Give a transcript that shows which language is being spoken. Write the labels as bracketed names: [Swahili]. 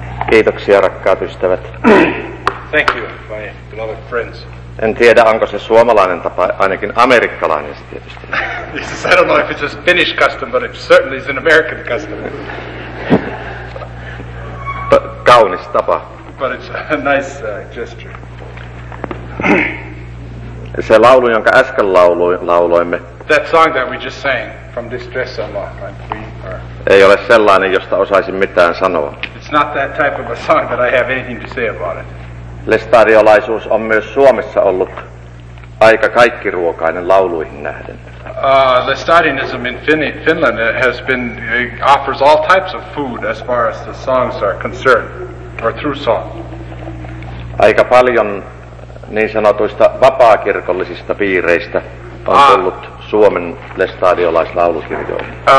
[Finnish] Kiitoksia, rakkaat ystävät. [English] Thank you, my beloved friends. [Finnish] En tiedä, onko se suomalainen tapa, ainakin amerikkalainen se tietysti. [English] He says, I don't know if it's a Finnish custom, but it certainly is an American custom. [Finnish] Kaunis tapa. [English] But it's a nice gesture. [Finnish] Se laulu, jonka äsken lauloimme. [English] That song that we just sang from this dress on my queen. [Finnish] Ei ole sellainen, josta osaisin mitään sanoa. [English] It's not that type of a song that I have anything to say about it. [Finnish] Lestariolaisuus on myös Suomessa ollut aika kaikkiruokainen lauluihin nähden. [English] Lestarianism in Finland has been offers all types of food as far as the songs are concerned or through song. [Finnish] Aika paljon niin sanotuista vapaakirkollisista piireistä on tullut Suomen lestadiolaislaulukirjoihin.